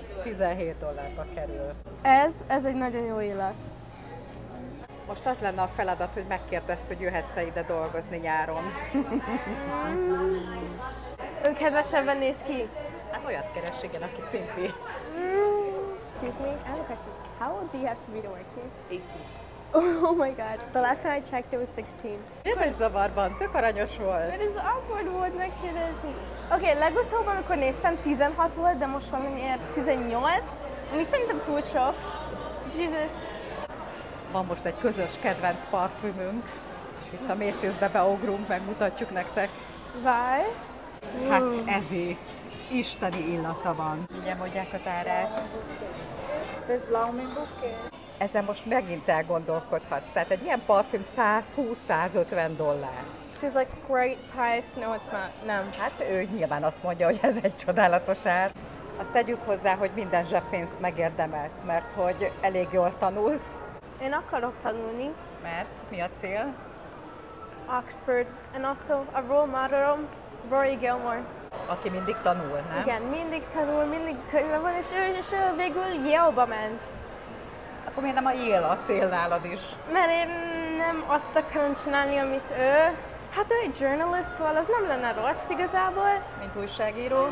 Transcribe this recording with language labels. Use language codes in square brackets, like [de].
[hu] $17 kerül. Ez egy nagyon jó illat. Most az lenne a feladat, hogy megkérdezd, hogy jöhetsz-e ide dolgozni nyáron. Ön kedvesebben néz ki? Hát olyat keres, igen, aki szinti. [en] Excuse me, I have a question. How old do you have to be to work here? 18. Oh my god, the last time I checked it was 16. [hu] Én vagy zavarban, tök aranyos volt. [en] It is awkward [hu] volt megkérdezni. Oké, legutóbb, amikor néztem, 16 volt, de most valamiért 18. Mi szerintem túl sok. Jesus. Van most egy közös kedvenc parfümünk. Itt a Macy's-be beugrunk, megmutatjuk nektek. [en] Why? [hu] Hát ez itt. Isteni illata van. Mindjárt mondják az árát. Ez Blooming Bouquet. Ezen most megint elgondolkodhatsz. Tehát egy ilyen parfüm 120-150 dollár. [en] It's like great price. No, it's not. [hu] Nem. Hát ő nyilván azt mondja, hogy ez egy csodálatos ár. Azt tegyük hozzá, hogy minden zsebpénzt megérdemelsz, mert hogy elég jól tanulsz. Én akarok tanulni. Mert? Mi a cél? Oxford. [en] And also a role modelom, Rory Gilmore. [hu] Aki mindig tanul, nem? Igen, mindig tanul, mindig könyve van, és ő végül Yale-ba ment. Akkor miért nem a Yale a cél nálad is? Mert én nem azt akarom csinálni, amit ő. Hát ő egy journalist, szóval az nem lenne rossz igazából. Mint újságíró.